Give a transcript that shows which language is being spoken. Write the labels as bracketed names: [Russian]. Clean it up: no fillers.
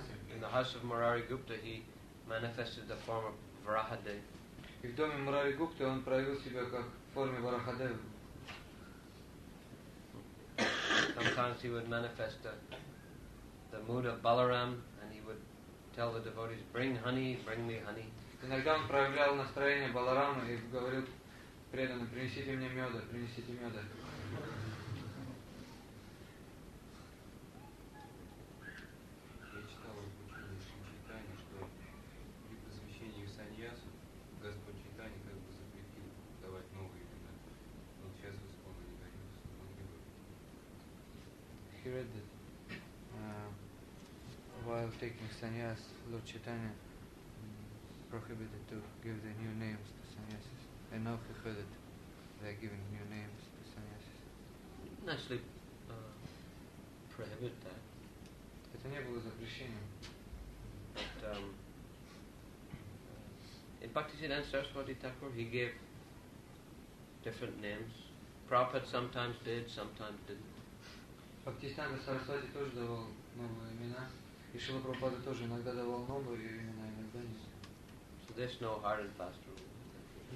[English] In the house of Murari Gupta, he manifested the form of Varahadeva. [Russian] И в доме Мурари Гупты он проявил себя как в форме Варахадевы. [English] Sometimes he would manifest the mood of Balaram and he would tell the devotees, bring honey, bring me honey. [Russian] Иногда он проявлял настроение Баларама и говорил преданным, принесите мне меда, принесите меда. Я читал в учебнике Чайтанья, что при посвящении саньясу Господь Чайтанья как бы запретил давать новые имена. Вот сейчас вы вспомнили, как бы вспомнили. [English] He read that while taking sannyas, Lord Chaitanya prohibited to give the new names to sannyasis. And now he heard that they are giving new names to sannyasis. Didn't actually prohibit that. [Russian] Это не было запрещением. [English] But in Bhaktisiddhanta Saraswati Thakur, he gave different names. Prabhupada sometimes did, sometimes didn't. [Russian] Бхактистан Сарасвати тоже давал новые имена. И Шрила Прабхупада тоже иногда давал новые имена, иногда нет. [English] So there's no hard and fast rule.